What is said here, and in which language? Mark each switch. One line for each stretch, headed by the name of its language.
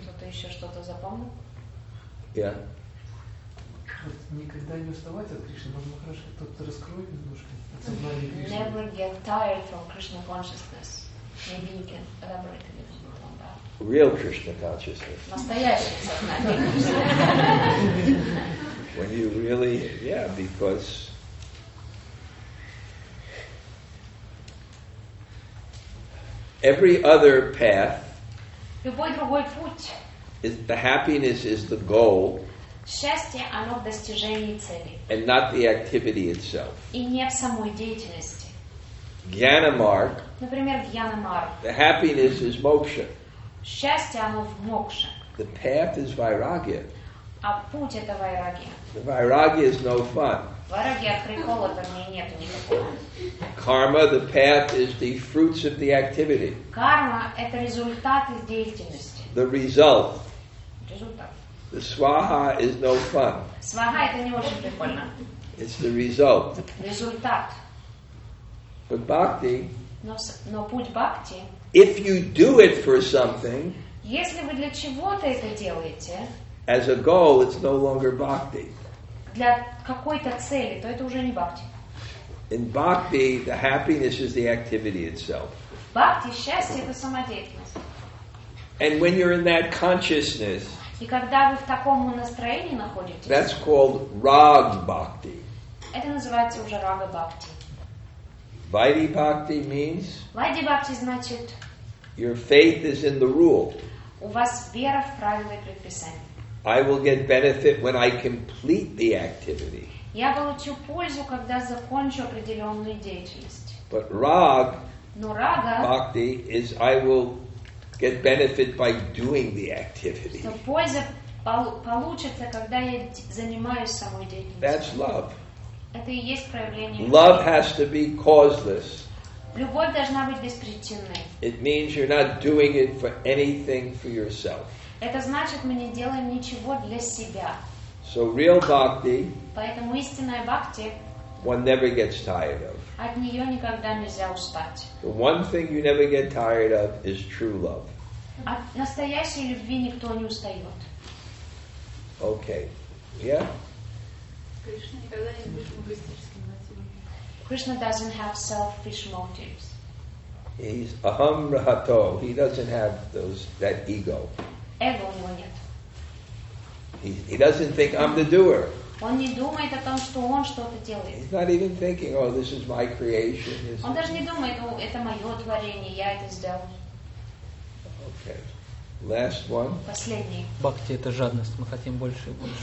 Russian: Кто-то еще что-то запомнил?
English: Yeah.
Russian: Никогда не уставать от Кришны. Можно хорошо кто-то раскроет немножко.
English: Never get tired from Krishna consciousness. Maybe you can elaborate a little bit on that. Real Krishna consciousness.
Russian: Настоящее сознание.
English: When you really, yeah, because every other path,
Russian: любой другой путь,
English: is the happiness is the goal,
Russian: счастье, оно в достижении цели,
English: and not the activity itself.
Russian: И не в самой деятельности. Гьянамарг, например, Гьянамарг,
English: the happiness is мокша.
Russian: Счастье, оно в мокша.
English: The path is вайрагья.
Russian: А путь это вайрагья.
English: The вайрагья is no fun.
Russian: Вайрагья прикола там мне нету никакого. Карма,
English: the path is the fruits of the activity.
Russian: Карма это результат из деятельности.
English: The result.
Russian: Результат.
English: The сваха is no fun.
Russian: Сваха это не очень прикольно.
English: It's the result.
Russian: Результат.
English: But бхакти.
Russian: Но путь бхакти.
English: If you do it for something.
Russian: Если вы для чего-то это делаете,
English: as a goal, it's no longer bhakti.
Russian: Для какой-то цели, то это уже не бхакти.
English: In bhakti, the happiness is the activity itself.
Russian: Бхакти, счастье, это самодеятельность.
English: And when you're in that consciousness,
Russian: и когда вы в таком настроении находитесь,
English: that's called rag bhakti.
Russian: Это называется уже рага бхакти.
English: Vaidhi bhakti means?
Russian: Vaidhi bhakti значит?
English: Your faith is in the rule.
Russian: У вас вера в правила и предписания.
English: I will get benefit when I complete the activity.
Russian: Я получу пользу, когда закончу определенную деятельность.
English: But rag,
Russian: но рага,
English: bhakti, is I will get benefit by doing the activity.
Russian: Что польза получится, когда я занимаюсь самой деятельностью.
English: That's love.
Russian: Это и есть проявление.
English: Love has to be causeless.
Russian: Любовь должна быть беспричинной.
English: It means you're not doing it for anything for yourself.
Russian: Это значит, мы не делаем ничего для себя.
English: So real bhakti,
Russian: поэтому истинная бхакти,
English: one never gets tired of.
Russian: От нее никогда нельзя устать.
English: The one thing you never get tired of is true love.
Russian: От настоящей любви никто не устает.
English: Okay. Yeah?
Russian: Кришна никогда не будет эгоистическим.
English: Krishna doesn't have selfish motives. He's aham rahato. He doesn't have that ego.
Russian: Ego у него нет.
English: He doesn't think I'm the doer.
Russian: Он не думает о том, что он что-то делает.
English: He's not even thinking, oh, this is my creation.
Russian: Он даже не думает, oh, это мое творение, я это сделал.
English: Okay. Last one.
Russian: Последний. Бхакти это жадность. Мы хотим больше и больше.